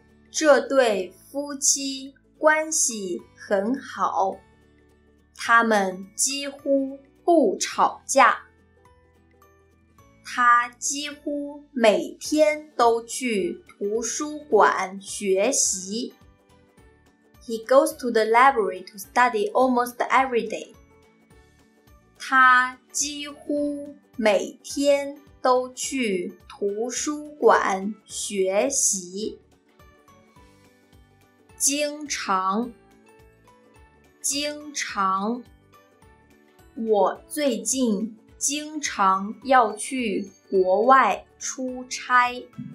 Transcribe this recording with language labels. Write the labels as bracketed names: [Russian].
[Chinese] 这对夫妻关系很好，他们几乎不吵架。他几乎每天都去图书馆学习。 [English] He goes to the library to study almost every day. [Chinese] 他几乎每天都去图书馆学习。经常，经常，我最近经常要去国外出差。